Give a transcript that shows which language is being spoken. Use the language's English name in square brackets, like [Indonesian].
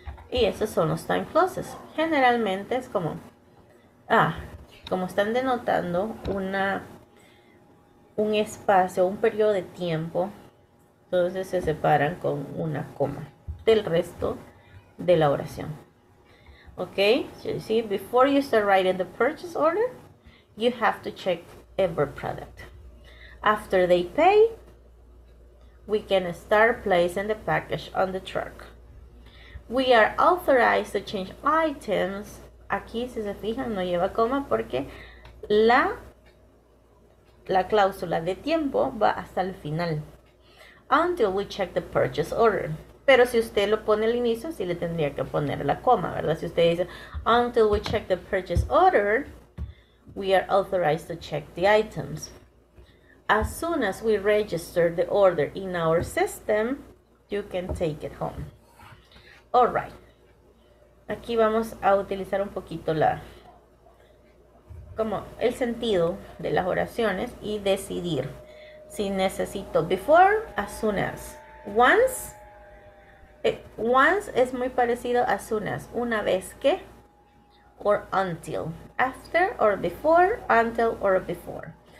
[Spanish] Y esos son los time clauses. Generalmente es como, como están denotando un espacio, un periodo de tiempo, entonces se separan con una coma del resto de la oración. [English] Ok, so you see, before you start writing the purchase order, you have to check every product. After they pay, we can start placing the package on the truck. We are authorized to change items. [Spanish] Aquí, si se fijan, no lleva coma porque la cláusula de tiempo va hasta el final. [English] Until we check the purchase order. [Spanish] Pero si usted lo pone al inicio, sí le tendría que poner la coma, ¿verdad? Si usted dice, [English] until we check the purchase order, we are authorized to check the items. As soon as we register the order in our system, you can take it home. All right. [Spanish] Aquí vamos a utilizar un poquito como el sentido de las oraciones y decidir si necesito before, as soon as. Once es muy parecido a soon as, una vez que, or until, after, or before, until, or before.